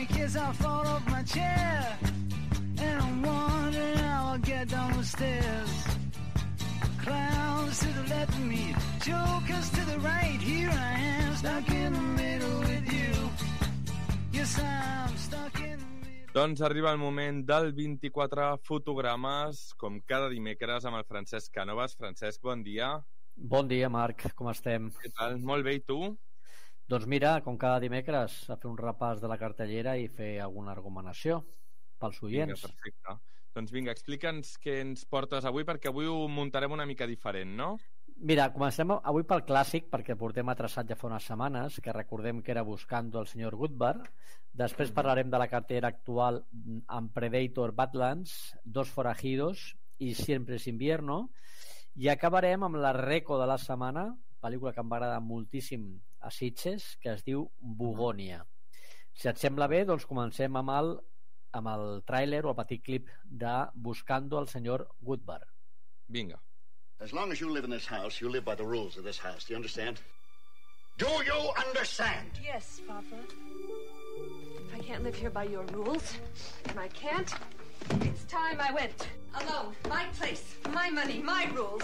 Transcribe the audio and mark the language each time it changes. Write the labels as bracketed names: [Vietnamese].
[English] I fall off my chair, and I'm wondering how I'll get down the stairs. Clowns to the left of me, jokers to the right, here I am, stuck in the middle with you. Yes, I'm stuck in. [Catalan] Doncs arriba el moment del 24 fotogrames, com cada dimecres, amb el Francesc Cànovas. Francesc, bon dia. Bon dia, Marc, com estem? Què tal? Molt bé, i tu? Doncs mira, com cada dimecres, a fer un repàs de la cartellera i fer alguna recomanació pels oients. Vinga, perfecte. Doncs vinga, explica'ns què ens portes avui, perquè avui ho muntarem una mica diferent, no? Mira, comencem avui pel clàssic, perquè portem atreçat ja fa unes setmanes, que recordem que era Buscando el senyor Goodbar. Després parlarem de la cartera actual amb Predator Badlands, Dos forajidos i Siempre es invierno. I acabarem amb la reco de la setmana, pel·lícula que em va agradar moltíssim a Sitges, que es diu Bugonia. Si et sembla bé, doncs comencem amb el tràiler o el petit clip de Buscando el senyor Goodbar. Vinga. [English] As long as you live in this house, you live by the rules of this house. Do you understand? Do you understand? Yes, Father. If I can't live here by your rules, and I can't, it's time I went. Alone. My place. My money. My rules.